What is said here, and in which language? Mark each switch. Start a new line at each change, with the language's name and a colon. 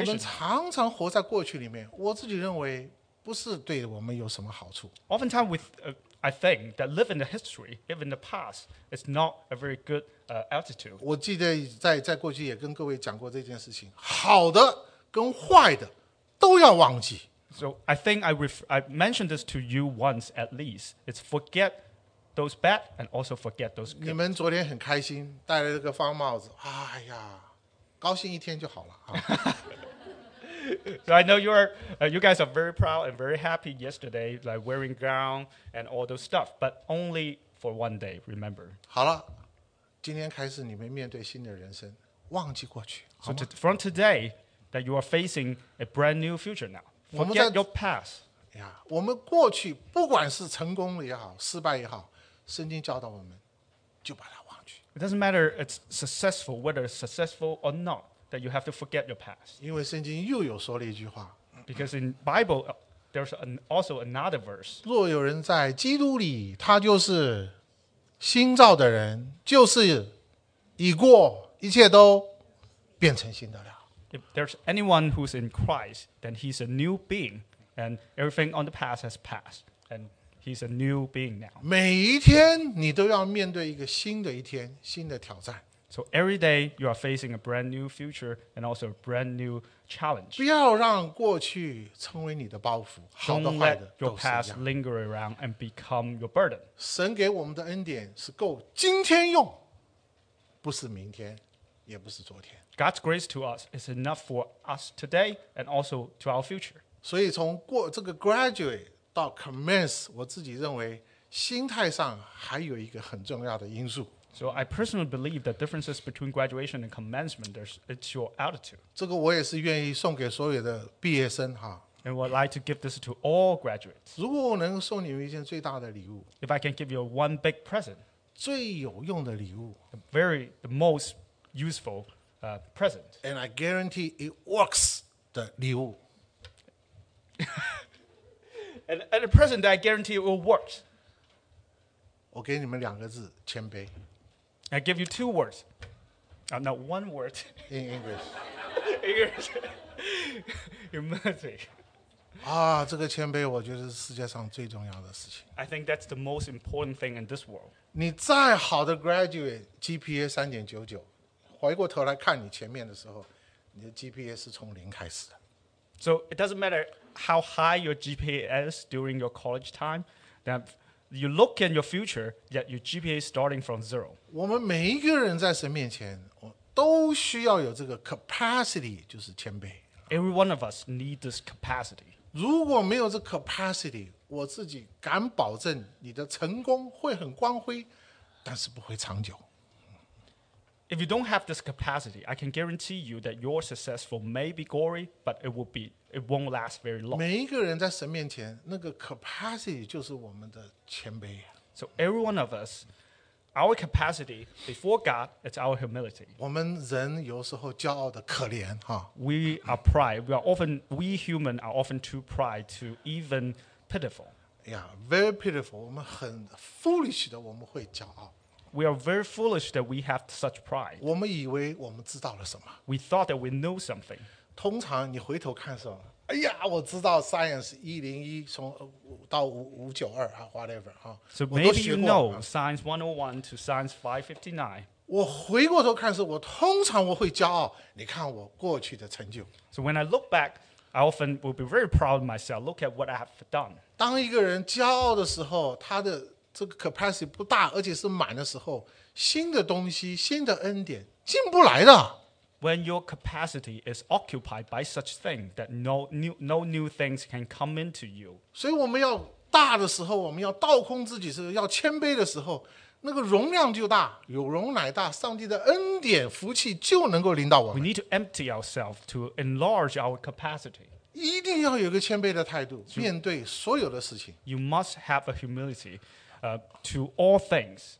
Chinese: 我们常常活在过去里面，我自己认为不是对我们有什么好处。
English: Oftentimes I think that living the history, even the past, is not a very good attitude.
Chinese: 我记得在过去也跟各位讲过这件事情，好的跟坏的都要忘记。
English: So I think I mentioned this to you once at least. It's forget those bad and also forget those good.
Chinese: 你们昨天很开心，戴了这个方帽子，哎呀，高兴一天就好了。
English: So I know you guys are very proud and very happy yesterday, like wearing gown and all those stuff, but only for one day, remember.
Chinese: 好了，今天开始你们面对新的人生，忘记过去。
English: So from today, that you are facing a brand new future now. Forget your past.
Chinese: Yeah, 我们过去不管是成功也好，失败也好，圣经教导我们，就把它忘去。
English: It doesn't matter it's successful, whether it's successful or not. That you have to forget your past.
Chinese: 因为圣经又有说了一句话。
English: Because in Bible, there's also another verse.
Chinese: 若有人在基督里，他就是新造的人，就是已过，一切都变成新的了。
English: If there's anyone who's in Christ, then he's a new being, and everything on the past has passed, and he's a new being now.
Chinese: 每一天，你都要面对一个新的一天，新的挑战。
English: So every day you are facing a brand new future and also a brand new challenge.
Chinese: 不要让过去成为你的包袱，好的坏的都是一样。
English: Don't let your past linger around and become your burden.
Chinese: 神给我们的恩典是够今天用，不是明天，也不是昨天。
English: God's grace to us is enough for us today and also to our future.
Chinese: 所以从过这个 graduate 到 commence， 我自己认为心态上还有一个很重要的因素。
English: So I personally believe the differences between graduation and commencement, it's your attitude.
Chinese: 这个我也是愿意送给所有的毕业生哈。
English: And would like to give this to all graduates.
Chinese: 如果我能送你们一件最大的礼物。
English: If I can give you one big present.
Chinese: 最有用的礼物。
English: The most useful present. And I guarantee it works
Chinese: 的礼物。
English: and a present that I guarantee it will work.
Chinese: 我给你们两个字，谦卑。
English: I give you two words. Not one word. In English. English. Humility.
Chinese: 啊，这个谦卑我觉得是世界上最重要的事情。
English: I think that's the most important thing in this world.
Chinese: 你再好的 graduate, GPA 3.99, 回过头来看你前面的时候，你的 GPA 是从零开始的。
English: So it doesn't matter how high your GPA is during your college time, that you look at your future, yet your GPA is starting from zero.
Chinese: 我们每一个人在神面前，我都需要有这个 capacity， 就是谦卑。
English: Every one of us need this capacity.
Chinese: 如果没有这 capacity， 我自己敢保证你的成功会很光辉，但是不会长久。
English: If you don't have this capacity, I can guarantee you that your successful may be gory, but it won't last very long.
Chinese: 每一个人在神面前，那个 capacity 就是我们的谦卑。
English: So every one of us, our capacity before God, it's our humility.
Chinese: 我们人有时候骄傲的可怜哈。
English: We are pride. We human are often too pride to even pitiful. Yeah, very pitiful.
Chinese: 我们很 foolish 的，我们会骄傲。
English: We are very foolish that we have such pride.
Chinese: 我们以为我们知道了什么。
English: We thought that we know something.
Chinese: 通常你回头看什么？哎呀，我知道 science 101从到592啊 whatever 哈。
English: So maybe you know science 101 to science 559.
Chinese: 我回过头看是我通常我会骄傲，你看我过去的成就。
English: So when I look back, I often will be very proud of myself. Look at what I have done.
Chinese: 当一个人骄傲的时候，他的这个 capacity 不大，而且是满的时候，新的东西、新的恩典进不来的。
English: When your capacity is occupied by such thing that no new things can come into you.
Chinese: 所以我们要大的时候，我们要倒空自己，是要谦卑的时候，那个容量就大，有容乃大，上帝的恩典福气就能够临到我们。
English: We need to empty ourselves to enlarge our capacity.
Chinese: 一定要有一个谦卑的态度，面对所有的事情。
English: You must have a humility, to all things.